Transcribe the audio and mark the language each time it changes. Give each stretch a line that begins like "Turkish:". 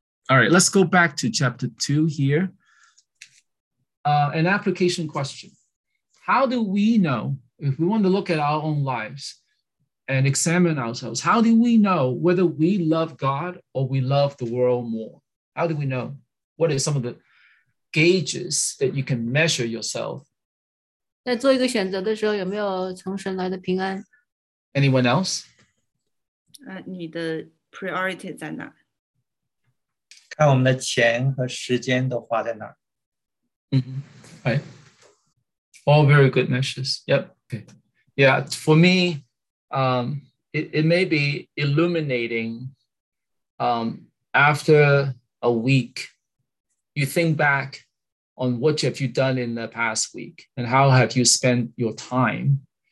English: All right, let's go back to chapter two here. An application question. How do we know, if we want to look at our own lives and examine ourselves, how do we know whether we love God or we love the world more? How do we know? What are some of the gauges that you can measure yourself?
Chinese: 在做一个选择的时候, 有没有从神来的平安?
English: Anyone else?
Chinese: 你的priority在哪? 看我们的钱和时间都花在哪?
English: Mm-hmm. Right. All very good measures. Yep. Okay. Yeah, for me, it may be illuminating after a week. You think back on what have you done in the past week and how have you spent your time.